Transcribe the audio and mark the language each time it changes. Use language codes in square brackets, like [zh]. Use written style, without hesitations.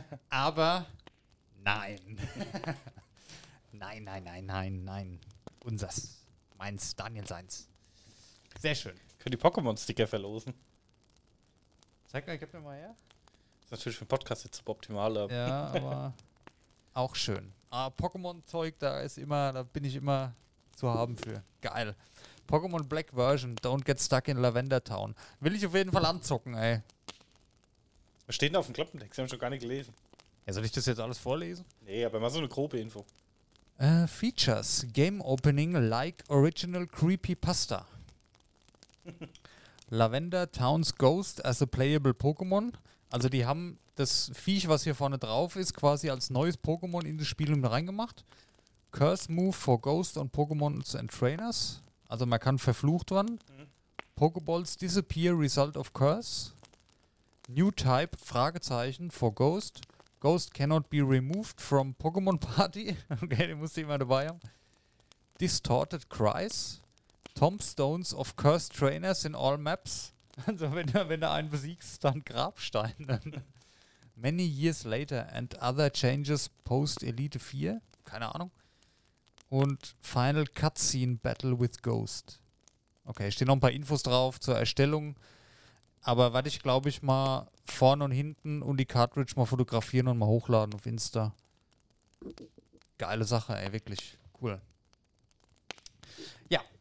[de] Aber nein. Nein. Unsers. Meins. Daniel seins. Sehr schön. Können die Pokémon-Sticker verlosen? Zeig mal, ich hab mir mal her. Ist natürlich für den Podcast jetzt suboptimal. Ja, aber auch schön. Ah, Pokémon-Zeug, da bin ich immer zu haben für. Geil. [en] Pokémon Black Version, Don't Get Stuck in Lavender Town. [de] Will ich auf jeden Fall anzocken, ey. Was steht denn auf dem Klappentext? Haben wir schon gar nicht gelesen. Ja, soll ich das jetzt alles vorlesen? Nee, aber mal so eine grobe Info. [en] Features. Game Opening like original Creepypasta. Lavender Town's Ghost as a playable Pokémon. [de] Also die haben das Viech, was hier vorne drauf ist, quasi als neues Pokémon in das Spiel mit reingemacht. [en] Curse Move for Ghost on Pokémon and Trainers. [de] Also man kann verflucht werden. [en] Mhm. Pokéballs disappear, result of curse. New type, Fragezeichen, for Ghost. Ghost cannot be removed from Pokémon Party. [de] Okay, den musst du immer dabei haben. [en] Distorted cries. Tombstones of cursed trainers in all maps. [de] Also wenn du einen besiegst, dann Grabstein. [en] Many years later and other changes post Elite 4. [de] Keine Ahnung. Und [en] Final Cutscene Battle with Ghost. [de] Okay, stehen noch ein paar Infos drauf zur Erstellung. Aber werde ich, glaube ich, mal vorne und hinten und die Cartridge mal fotografieren und mal hochladen auf Insta. Geile Sache, ey, wirklich. Cool. Ja.